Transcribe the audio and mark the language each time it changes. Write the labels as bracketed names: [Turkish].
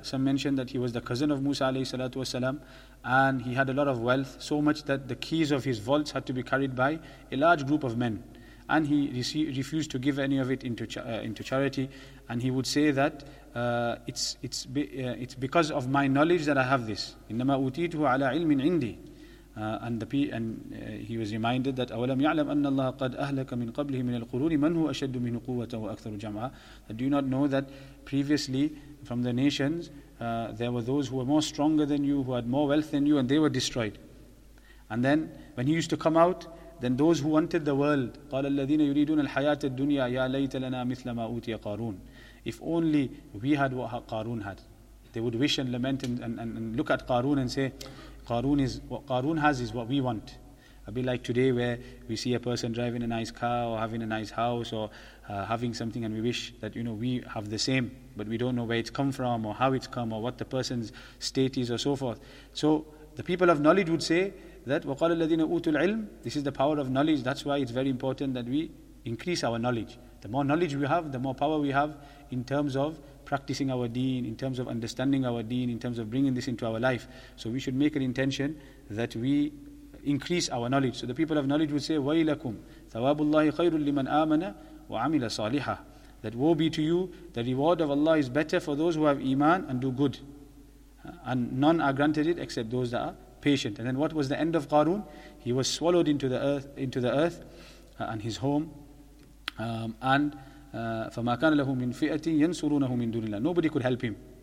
[English] Some mentioned that he was the cousin of Musa alayhi salatu wasalam, and he had a lot of wealth, so much that the keys of his vaults had to be carried by a large group of men. And he refused to give any of it into charity. And he would say that it's because of my knowledge that I have this. [Arabic] إِنَّمَا أُوتِيتُهُ عَلَىٰ عِلْمٍ عِنْدِي. [English] He was reminded that [Arabic] أَوَلَمْ يَعْلَمْ أَنَّ اللَّهَ قَدْ أَهْلَكَ مِنْ قَبْلِهِ مِنَ الْقُرُونِ مَنْ هُوَ أَشَدُّ مِنْهُ قُوَّةً وَأَكْثَرُ جَمْعًا. [English] Do you not know that previously from the nations there were those who were more stronger than you, who had more wealth than you, and they were destroyed? And then when he used to come out, then those who wanted the world, [Arabic] قَالَ الَّذِينَ يُرِيدُونَ الْحَيَاةَ الدُّنْيَا يَا لَيْتَ لَنَا مِثْلَ مَا أُوتِيَ قَارُونَ. [English] If only we had what Qarun had. They would wish and lament and look at Qarun and say, what Qarun has is what we want. A bit like today, where we see a person driving a nice car or having a nice house or having something, and we wish that, you know, we have the same, but we don't know where it's come from or how it's come or what the person's state is or so forth. So the people of knowledge would say that [Arabic] وَقَالَ الَّذِينَ أُوتُوا الْعِلْمِ, [English] this is the power of knowledge. That's why it's very important that we increase our knowledge. The more knowledge we have, the more power we have in terms of practicing our deen, in terms of understanding our deen, in terms of bringing this into our life. So we should make an intention that we increase our knowledge. So the people of knowledge would say, [Arabic] وَيْلَكُمْ ثَوَابُ اللَّهِ خَيْرٌ لِّمَنْ آمَنَ وَعَمِلَ صَالِحًا. [English] That woe be to you, the reward of Allah is better for those who have iman and do good, and none are granted it except those that are patient. And then what was the end of Qarun? He was swallowed into the earth and his home, and [Arabic] فَمَا كَانَ لَهُ مِنْ فِئَةٍ يَنْصُرُونَهُ مِنْ دُونِ اللَّهِ. [English] Nobody could help him.